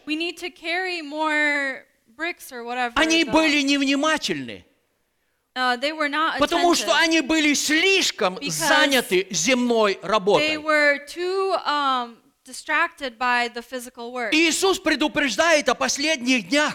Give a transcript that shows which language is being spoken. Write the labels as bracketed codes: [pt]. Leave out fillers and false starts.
[en] We need to carry more bricks or whatever. [ru] Они the... были невнимательны. [en] They were not attentive. [ru] Потому что они были слишком заняты земной работой. [en] They were too, distracted by the physical work. [ru] Иисус предупреждает о последних днях.